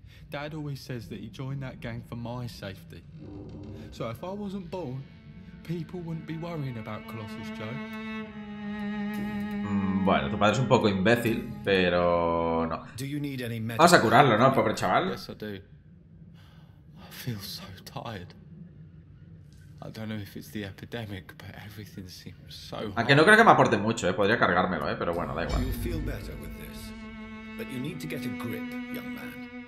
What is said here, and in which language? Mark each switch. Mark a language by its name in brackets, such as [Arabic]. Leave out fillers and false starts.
[English] Dad always says that he joined that gang for my safety. So if I wasn't born, people wouldn't be worrying about Colossus Joe. [Spanish] Bueno, tu padre es un poco imbécil, pero no. Vamos a curarlo, ¿no, pobre chaval? [English] Yes, I do. I feel so tired. I don't know if it's the epidemic, but everything seems so. [Spanish] Aunque no creo que me aporte mucho, podría cargármelo, pero bueno, da igual. [English] You'll feel better with this, but you need to get a grip, young man.